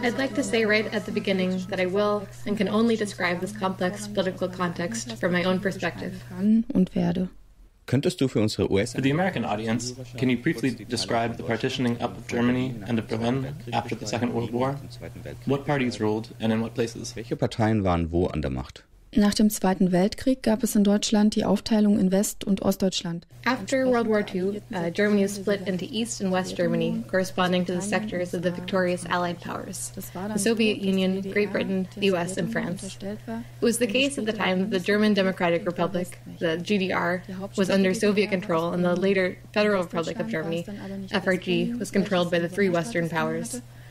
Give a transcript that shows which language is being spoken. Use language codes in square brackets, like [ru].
[en] I'd like to say right at the beginning that I will and can only describe this complex political context from my own perspective. [de] Und werde. Könntest du für unsere US [en] for the American audience, can you briefly describe the partitioning up of Germany and of Berlin after the Second World War? What parties ruled and in what places? [de] Welche Parteien waren wo an der Macht? Nach dem Zweiten Weltkrieg gab es in Deutschland die Aufteilung in West- und Ostdeutschland. [en] After World War II, Germany was split into East and West Germany, corresponding to the sectors of the victorious Allied powers, the Soviet Union, Great Britain, the US and France. It was the case at the time that the German Democratic Republic, the GDR, was under Soviet control and the later Federal Republic of Germany, FRG, was controlled by the three Western powers.